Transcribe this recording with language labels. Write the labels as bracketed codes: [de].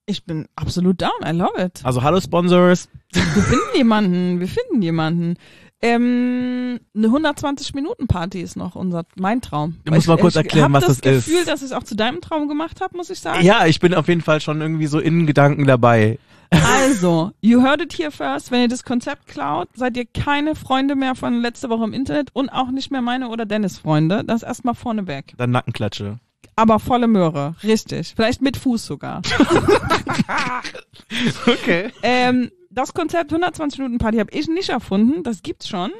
[de] Ich bin absolut [en] down, I love it. [de] Also hallo Sponsors. Wir finden jemanden. Eine 120-Minuten-Party ist noch mein Traum. Du musst mal kurz erklären, was das ist. Ich habe das Gefühl, dass ich es auch zu deinem Traum gemacht habe, muss ich sagen. Ja, ich bin auf jeden Fall schon irgendwie so in Gedanken dabei. Also, [en] you heard it here first. [de] Wenn ihr das Konzept klaut, seid ihr keine Freunde mehr von letzter Woche im Internet und auch nicht mehr meine oder Dennis Freunde. Das erstmal vorneweg. Dann Nackenklatsche. Aber volle Möhre, richtig. Vielleicht mit Fuß sogar. Okay. Das Konzept 120-Minuten-Party habe ich nicht erfunden. Das gibt's schon.